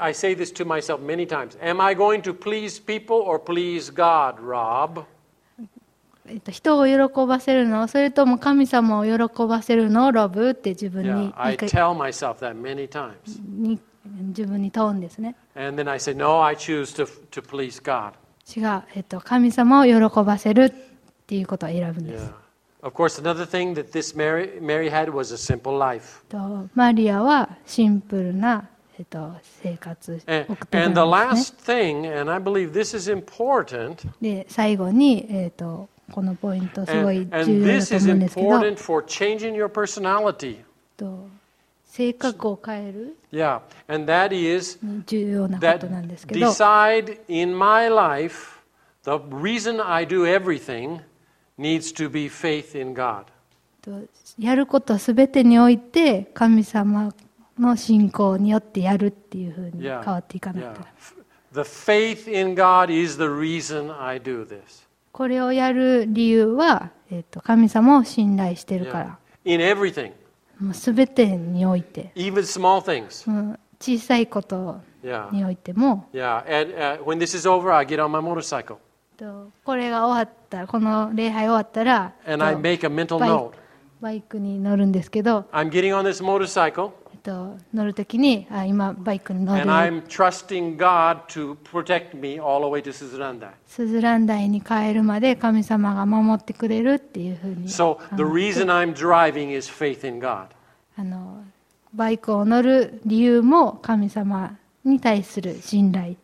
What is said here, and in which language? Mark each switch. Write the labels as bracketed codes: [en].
[en] I say this to myself many times. Am I going to please people or please God, Rob? [ja] 人を喜ばせるの、それとも神様を喜ばせるの、ロブって自分に。 [en] I tell myself that many times. [ja] 自分に問うんですね。 [en] And then I say, No, I choose to please God. [ja] 違う、神様を喜ばせるっていうことを選ぶんです。 [en] Yeah. Of course, another thing that this Mary had was a simple life. [ja] マリアはシンプルな生活を送っていたんですね。 [en] And the last thing, and I believe this is important. [ja] で、最後に、このポイントすごい重要だと思うんですけど。 [en] And this is important for changing your personality. [ja] 性格を変える。 [en] Yeah, and that is [ja] 重要なことなんですけど。 [en] Decide in my life the reason I do everything. Needs to be faith in God. [ja] やることすべてにおいて神様の信仰によってやるっていうふうに変わっていかなきゃ。 [en] The faith in God is the reason I do this. [ja] これをやる理由は、神様を信頼してるから。 [en] Yeah. In everything. [ja] もうすべてにおいて。 [en] Even small things. [ja] 小さいことにおいても。 [en] Yeah. And when this is over, I get on my motorcycle. [ja] これが終わったら、この礼拝終わったら、 [en] And I make a mental note. [ja] バイクに乗るんですけど、 [en] I'm getting on this motorcycle. [ja] 乗るときに、今バイクに乗る。 [en] And I'm trusting God to protect me all the way to Suzurandai. [ja] スズランダイに帰るまで神様が守ってくれるっていうふうに。 [en] So the reason I'm driving is faith in God. [ja] バイクを乗る理由も神様に対する信頼。